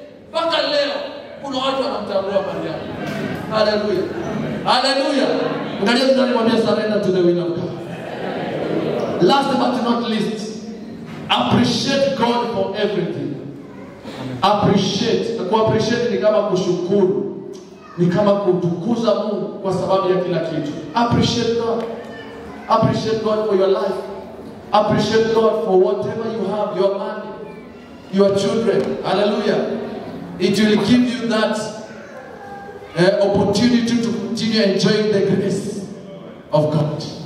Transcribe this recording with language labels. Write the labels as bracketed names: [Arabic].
[Swahili] Mpaka leo kuna watu wanamtambua pale. Hallelujah. [English] Hallelujah. [Swahili] Ngalia tunani mwambia [English] surrender to the will of God. Last but not least, appreciate God for everything. [Swahili] Appreciate. Kwa appreciate ni kama kushukuru. Ni kama kutukuza Mungu kwa sababu ya kila kitu. [English] Appreciate God. Appreciate God for your life. Appreciate God for whatever you have, your money, your children. Hallelujah. It will give you that opportunity to continue enjoying the grace of God.